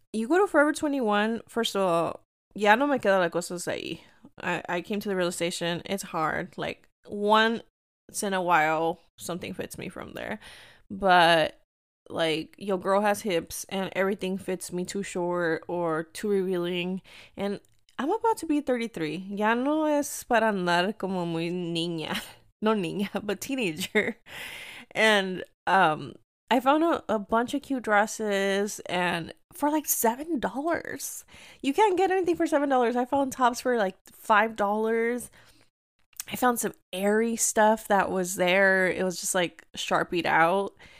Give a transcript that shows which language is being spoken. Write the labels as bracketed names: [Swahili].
[English] You go to Forever 21, first of all, [Spanish] ya no me queda la cosa ahí. [English] I came to the realization, it's hard. Like, once in a while, something fits me from there. But, like, your girl has hips, and everything fits me too short or too revealing. And I'm about to be 33. [Spanish] Ya no es para andar como muy niña. No niña, [English] but teenager. And, I found a bunch of cute dresses, and for like $7. You can't get anything for $7. I found tops for like $5. I found some airy stuff that was there. It was just like sharpied out.